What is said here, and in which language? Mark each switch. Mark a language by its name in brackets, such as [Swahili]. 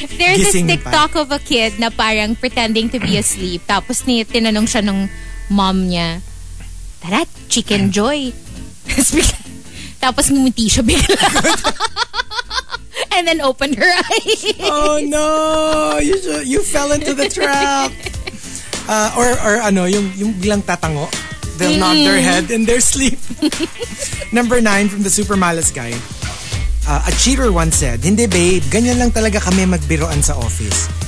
[English] there's this TikTok of a kid na parang pretending to be asleep. [Filipino] Tapos ni tinanong siya ng mom niya, tara, chicken joy. Tapos ngumiti siya bigla. [English] And then opened her eyes. Oh no! You fell into the trap. [Filipino] Or ano, yung biglang tatango. [English] they'll knock their head in their sleep. Number 9 from the Super Malas guy. A cheater once said, [Filipino] "Hindi babe, ganyan lang talaga kami magbiroan sa office.